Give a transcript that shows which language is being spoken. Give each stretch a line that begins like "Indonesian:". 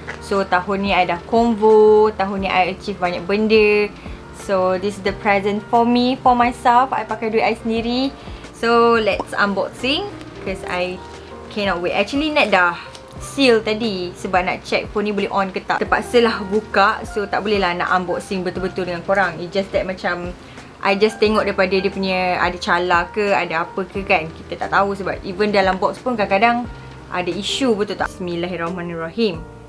Malay: So tahun ni I dah convo, tahun ni I achieve banyak benda.
English: So this is the present for me, for myself.
Malay: I pakai duit I sendiri.
English: So let's unboxing, because I cannot wait.
Malay: Actually Nat dah seal tadi sebab nak check phone ni boleh on ke tak. Terpaksalah buka, so tak boleh lah nak unboxing betul-betul dengan korang.
English: It's just that
Malay: macam I just tengok daripada dia punya ada calar ke, ada apa ke kan. Kita tak tahu sebab even dalam box pun kadang-kadang ada isu, betul tak?
Arabic: Bismillahirrahmanirrahim.